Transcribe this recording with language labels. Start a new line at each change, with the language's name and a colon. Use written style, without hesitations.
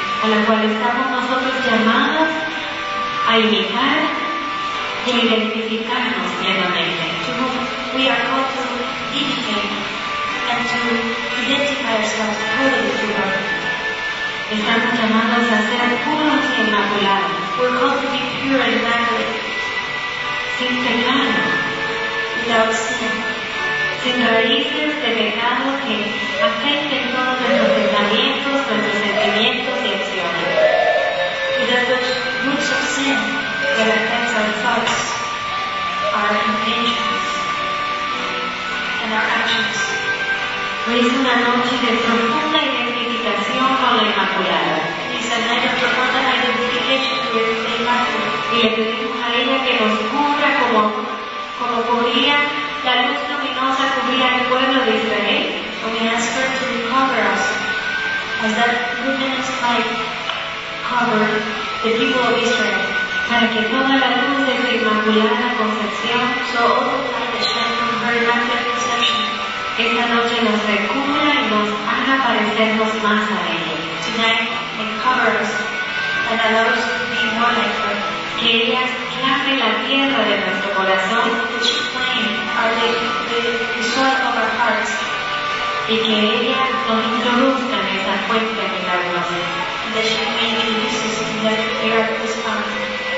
Spanish: A la cual estamos nosotros llamados a imitar y a identificarnos plenamente.
English: To whom we are called to imitate and to identify ourselves fully with the Lord.
Spanish: Estamos llamados a ser puros y inmaculados.
English: We're called to be pure and immaculate.
Spanish: Sin pecado.
English: Without sin.
Spanish: Sin raíces de pecado que afecten todos nuestros pensamientos, nuestros sentimientos y acciones.
English: Without those roots of sin that affect our thoughts, our intentions, and our actions.
Spanish: Es una noche de profunda identificación con la Inmaculada.
English: It's a night of profound identification with the Immaculate.
Spanish: Y le pedimos a ella que nos cubra como cubría la luz luminosa cubría el pueblo de Israel.
English: And we ask her to cover us as that luminous light covered the people of Israel.
Spanish: Para que toda la luz de su Inmaculada Concepción,
English: so all the light that shines from her Immaculate Conception,
Spanish: esta noche nos recubra y nos haga parecernos más a ella.
English: Tonight, may cover us and allow us to be more like her.
Spanish: Que ella clave la tierra de nuestro corazón.
English: That she claim the soil of our hearts.
Spanish: Y que ella nos introduzca en esa fuente que la luz.
English: That she may introduce us in that area of this fountain.